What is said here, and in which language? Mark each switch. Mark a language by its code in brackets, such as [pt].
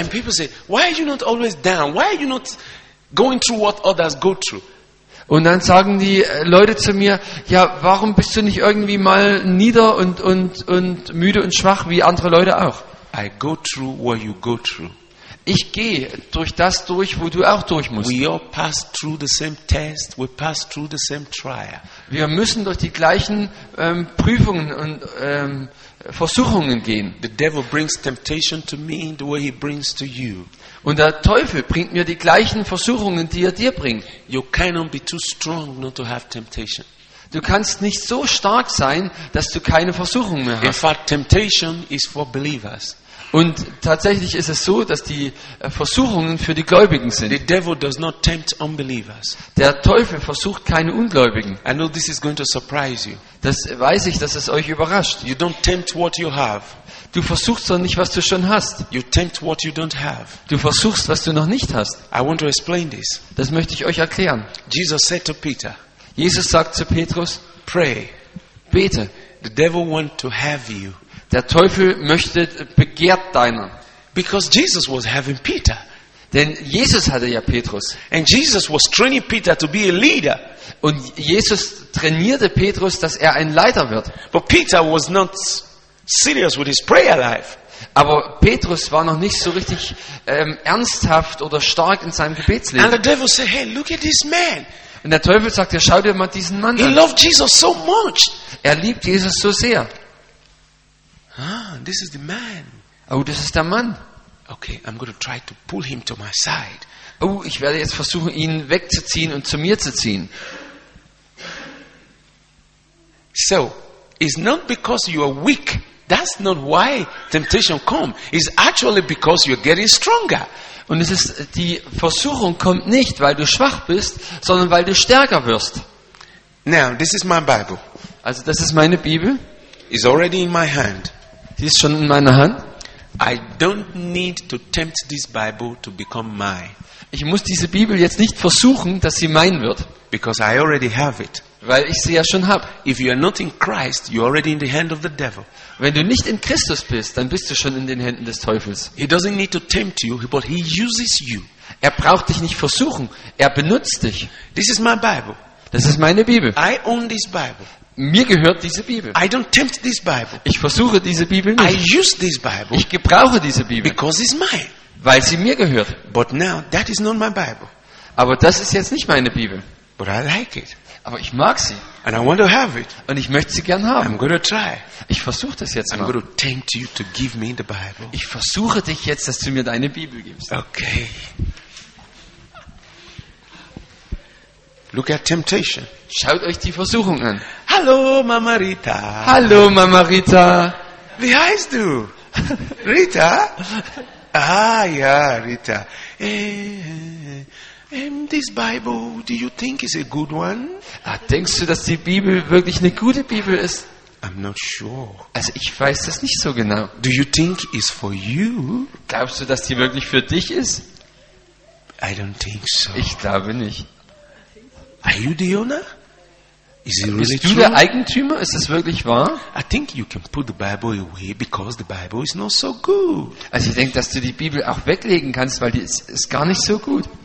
[en] And people say, why are you not always down? Why are you not going through what others go through? [de] Und dann sagen die Leute zu mir, ja, warum bist du nicht irgendwie mal nieder und müde und schwach wie andere Leute auch? [en] I go through what you go through. [de] Ich gehe durch das durch, wo du auch durch musst. [en] We all pass through the same test, we pass through the same trial. [de] Wir müssen durch die gleichen Prüfungen und Versuchungen gehen. [en] The devil brings temptation to me the way he brings to you. [de] Und der Teufel bringt mir die gleichen Versuchungen, die er dir bringt. [en] You cannot be too strong not to have temptation. [de] Du kannst nicht so stark sein, dass du keine Versuchung mehr hast. [en] In fact, temptation is for believers. [de] Und tatsächlich ist es so, dass die Versuchungen für die Gläubigen sind. [en] The devil does not tempt unbelievers. [de] Der Teufel versucht keine Ungläubigen. [en] I know this is going to surprise you. [de] Das weiß ich, dass es euch überrascht. [en] You don't tempt what you have. [de] Du versuchst doch nicht, was du schon hast. [en] You tempt what you don't have. [de] Du versuchst, was du noch nicht hast. [en] I want to explain this. [de] Das möchte ich euch erklären. [en] Jesus said to Peter. [de] Jesus sagt zu Petrus, [en] pray. [de] Bete. [en] The devil want to have you. [de] Der Teufel möchte begehrt deiner. [en] Because Jesus was having Peter. [de] Denn Jesus hatte ja Petrus. [en] And Jesus was training Peter to be a leader. [de] Und Jesus trainierte Petrus, dass er ein Leiter wird. [en] But Peter was not serious with his prayer life. [de] Aber Petrus war noch nicht so richtig ernsthaft oder stark in seinem Gebetsleben. [en] And the devil said, hey, look at this man. [de] Und der Teufel sagt, ja, schau dir mal diesen Mann an. [en] He loved Jesus so much. [de] Er liebt Jesus so sehr. [en] Ah, this is the man. [de] Oh, das ist der Mann. [en] Okay, I'm going to try to pull him to my side. [de] Oh, ich werde jetzt versuchen, ihn wegzuziehen und zu mir zu ziehen. [en] So, it's not because you are weak. That's not why temptation comes. It's actually because you're getting stronger. [de] Und es ist, die Versuchung kommt nicht, weil du schwach bist, sondern weil du stärker wirst. [en] Now, this is my Bible. [de] Also, das ist meine Bibel. [en] It's already in my hand. [de] Sie ist schon in meiner Hand. [en] I don't need to tempt this Bible to become mine. [de] Ich muss diese Bibel jetzt nicht versuchen, dass sie mein wird, [en] because I already have it. [de] Weil ich sie ja schon habe. [en] If you are not in Christ, you are already in the hand of the devil. [de] Wenn du nicht in Christus bist, dann bist du schon in den Händen des Teufels. [en] He doesn't need to tempt you, but he uses you. [de] Er braucht dich nicht versuchen, er benutzt dich. [en] This is my Bible. [de] Das ist meine Bibel. [en] I own this Bible. [de] Mir gehört diese Bibel. [en] I don't tempt this Bible. [de] Ich versuche diese Bibel nicht. [en] I use this Bible. [de] Ich gebrauche diese Bibel. [en] Because it's mine. [de] Weil sie mir gehört. [en] But now that is not my Bible. [de] Aber das ist jetzt nicht meine Bibel. [en] But I like it. [de] Aber ich mag sie. [en] And I want to have it. [de] Und ich möchte sie gern haben. [en] I'm going to try. [de] Ich versuche das jetzt mal. [en] I'm going to tempt you to give me the Bible. [de] Ich versuche dich jetzt, dass du mir deine Bibel gibst. [en] Okay. Look at temptation. [de] Schaut euch die Versuchung an. Hallo, Mama Rita. Hallo, Mama Rita. Wie heißt du? Rita? Ah, ja, Rita. [en] This Bible, do you think is a good one? [de] Ah, denkst du, dass die Bibel wirklich eine gute Bibel ist? [en] I'm not sure. [de] Also, ich weiß das nicht so genau. [en] Do you think is for you? [de] Glaubst du, dass die wirklich für dich ist? [en] I don't think so. [de] Ich glaube nicht. [en] Are you the owner? Is it really true? [de] Bist du der Eigentümer? Ist das wirklich wahr? [en] I think you can put the Bible away because the Bible is not so good. [de] Also, ich denke, dass du die Bibel auch weglegen kannst, weil die ist gar nicht so gut.